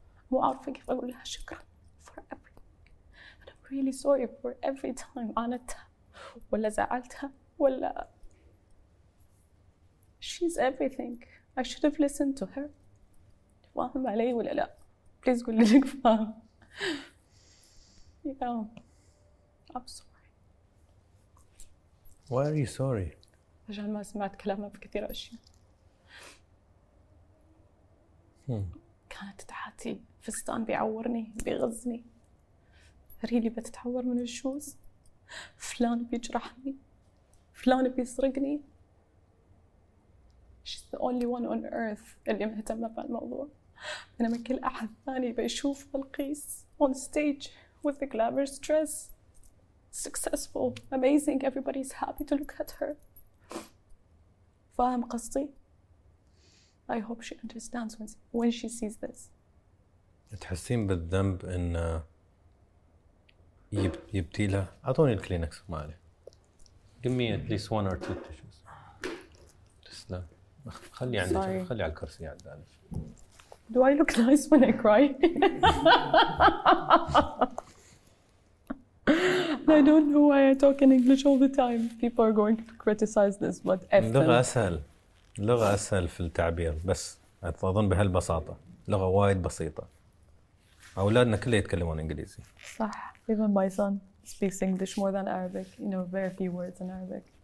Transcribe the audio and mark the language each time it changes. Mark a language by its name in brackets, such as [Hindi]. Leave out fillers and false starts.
[Arabic] مو عارفة كيف أقول لها شكرا [English] for everything. And I'm really sorry for every time [Arabic] عانتها ولا زعلتها ولا. [English] She's everything. I should have listened to her. [Arabic] فاهم علي ولا لا؟ Please قول لك فاهم. [English] Yeah. I'm sorry. Why are you sorry? [Arabic] عشان ما سمعت كلامها في كثير أشياء. كانت تحاتي فستان بيعورني، بيغزني. ريلي بتتعور من الشوز. فلان بيجرحني. فلان بيسرقني. [English] She's the only one on earth [Arabic] اللي مهتمة بالموضوع. أنا ما كل أحد ثاني بيشوف بلقيس [English] on stage with the glamorous dress. Successful, amazing, everybody's happy to look at her. [Arabic] فاهم قصدي؟ [English] I hope she understands when she sees this. [Arabic] تحسين بالذنب إن يبتي لها؟ أعطوني الكلينكس ما عليه. [English] Give me at least one or two tissues. [Arabic] تسلم. خلي عندي، خلي على الكرسي على الدالف. [English] Do I look nice when I cry? I don't know why I talk in English all the time. People are going to criticize this, but [Arabic] لغة أسهل، لغة أسهل في التعبير، بس أظن بهالبساطة، لغة وايد بسيطة. أولادنا كله يتكلمون إنجليزي. صح. [English] Even my son speaks English more than Arabic. You know, very few words in Arabic.